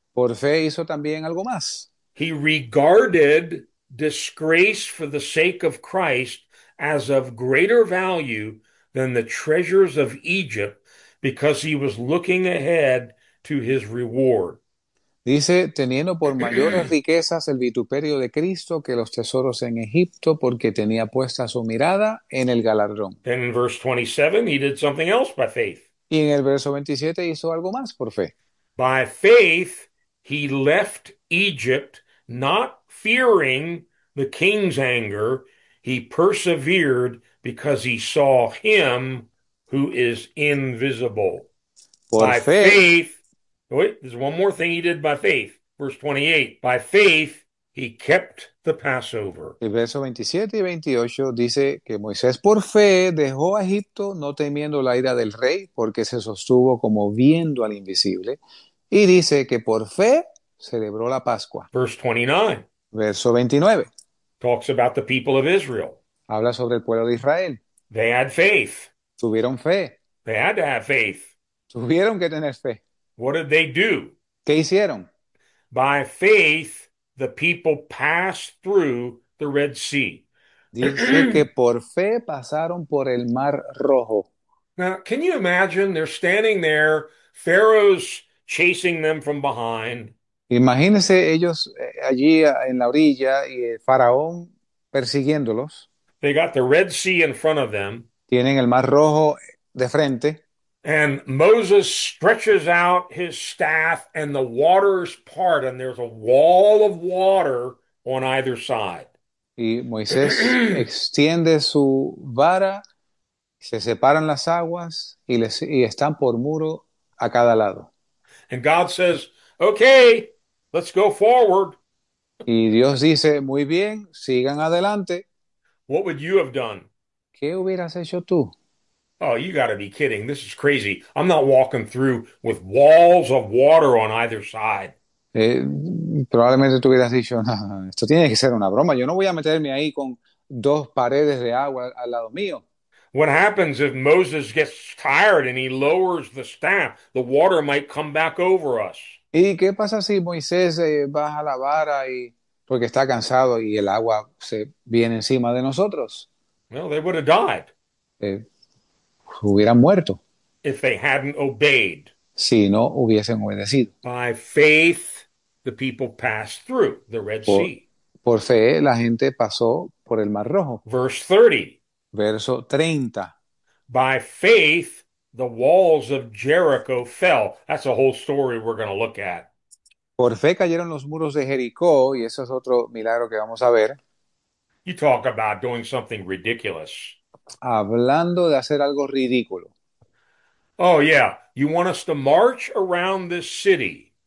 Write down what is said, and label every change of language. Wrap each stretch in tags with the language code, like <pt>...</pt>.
<es>Por fe hizo también algo más.</es> <en>He regarded disgrace for the sake of Christ as of greater value than the treasures of Egypt because he was looking ahead to his reward.</en> <es>Dice, teniendo por mayores riquezas el vituperio de Cristo que los tesoros en Egipto porque tenía puesta su mirada en el galardón.</es> <en>Then in verse 27, he did something else by faith.</en> <es>Y en el verso 27 hizo algo más por fe.</es> <en>By faith, he left Egypt, not fearing the king's anger. He persevered because he saw him who is invisible.</en> <es>Por</es> <en>by</en> <es>fe.</es> <en>faith, wait, there's one more thing he did by faith. Verse 28, by faith, he kept the Passover.</en> <es>El verso 27 y 28 dice que Moisés por fe dejó a Egipto no temiendo la ira del rey porque se sostuvo como viendo al invisible. Y dice que por fe celebró la Pascua.</es> <en>Verse 29.</en> <es>Verso 29.</es> <en>Talks about the people of Israel.</en> <es>Habla sobre el pueblo de Israel.</es> <en>They had faith.</en> <es>Tuvieron fe.</es> <en>They had to have faith.</en> <es>Tuvieron que tener fe.</es> <en>What did they do?</en> <es>¿Qué hicieron?</es> <en>By faith, the people passed through the Red Sea.</en> <es>Dice que por fe pasaron por el Mar Rojo.</es> <en>Now, can you imagine? They're standing there. Pharaoh's chasing them from behind.</en> <es>Imagínense ellos allí en la orilla y el faraón persiguiéndolos.</es> <en>They got the Red Sea in front of them.</en> <es>Tienen el Mar Rojo de frente.</es> <en>And Moses stretches out his staff and the waters part and there's a wall of water on either side.</en> <es>Y Moisés extiende su vara, se separan las aguas y están por muro a cada lado.</es> <en>And God says, "Okay, let's go forward."</en> <es>Y Dios dice, muy bien, sigan adelante.</es> <en>What would you have done?</en> <es>¿Qué hubieras hecho tú?</es> <en>Oh, you got to be kidding. This is crazy. I'm not walking through with walls of water on either side.</en> <es>Probablemente tú hubieras dicho, no, esto tiene que ser una broma, yo no voy a meterme ahí con dos paredes de agua al lado mío.</es> <en>What happens if Moses gets tired and he lowers the staff? The water might come back over us.</en> <es>¿Y qué pasa si Moisés baja la vara y porque está cansado y el agua se viene encima de nosotros?</es> <en>Well, they would have died</en> <es>Hubieran muerto</es> <en>if they hadn't obeyed.</en> <es>si no hubiesen obedecido.</es> <en>By faith, the people passed through the Red</en> <es>Por</es> <en>Sea.</en> <es>fe, la gente pasó por el Mar Rojo.</es> <en>Verse 30.</en> <es>Verso 30.</es> <en>By faith, the walls of Jericho fell. That's a whole story we're going to look at.</en> <es>Por fe cayeron los muros de Jericó, y eso es otro milagro que vamos a ver.</es> <en>You talk about doing something ridiculous.</en> <es>Hablando de hacer algo ridículo.</es> <en>Oh, yeah. You want us to march around this city</en>